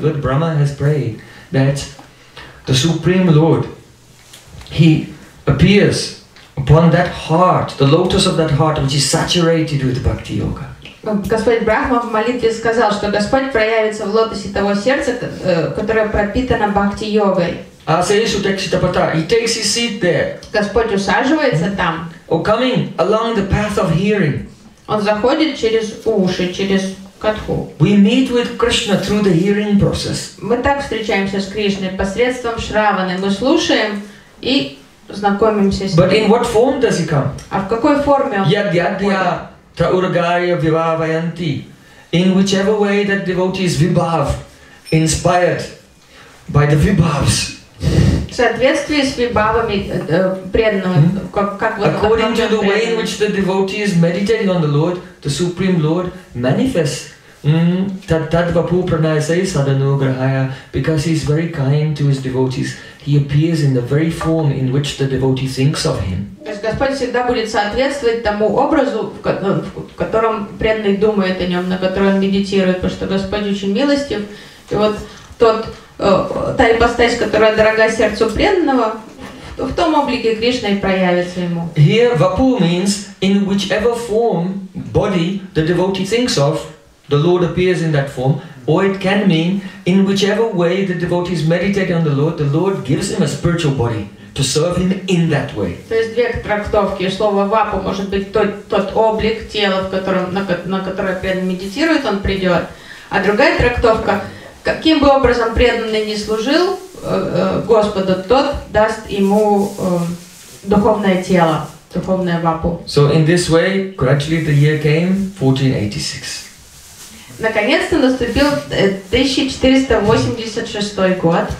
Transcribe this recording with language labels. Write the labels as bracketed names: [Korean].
[English] Lord Brahma has prayed that the Supreme Lord, He appears upon that heart, the lotus of that heart which is saturated with Bhakti Yoga. [Russian] Господь Брахма в молитве сказал, что Господь проявится в лотосе того сердца, которое пропитано бхакти-йогой. [Sanskrit] Асейшу текситапата. [English] He takes his seat there. [Russian] Господь усаживается там. [English] Or coming along the path of hearing. [Russian] Он заходит через уши, через катху. [English] We meet with Krishna through the hearing process. [Russian] Мы так встречаемся с Кришной посредством шраваны. Мы слушаем и знакомимся с ним. [English] But in what form does he come? [Russian] А в какой форме он приходит? [Sanskrit] Traurgaya vibhavayanti, [English] in whichever way that devotee is vibhav, inspired by the vibhavs. [Russian] В соответствии с вибхавами преданного, как вот. [English] According to the way in which the devotee is meditating on the Lord, the Supreme Lord manifests. [Sanskrit] Tadvapu pranayasai sadanugrahaya, [English] because he is very kind to his devotees. He appears in the very form in which the devotee thinks of him. [Russian] То есть Господь всегда будет соответствовать тому образу, в котором преданный думает о нем, на который он медитирует, потому что Господь очень милостив. И вот та ипостась, которая дорога сердцу преданного, в том облике Кришна и проявится ему. [English] Here Vapur means in whichever form body the devotee thinks of, the Lord appears in that form. Or it can mean in whichever way the devotee is meditating on the Lord gives him a spiritual body to serve him in that way. [Russian] То есть две трактовки. Слово вапу может быть тот облик тела, в котором на которое преданный медитирует, он придет. А другая трактовка, каким бы образом преданный ни служил Господу, тот даст ему духовное тело, духовное вапу. [English] So in this way, gradually the year came 1486. [Russian] Наконец-то наступил 1486 год.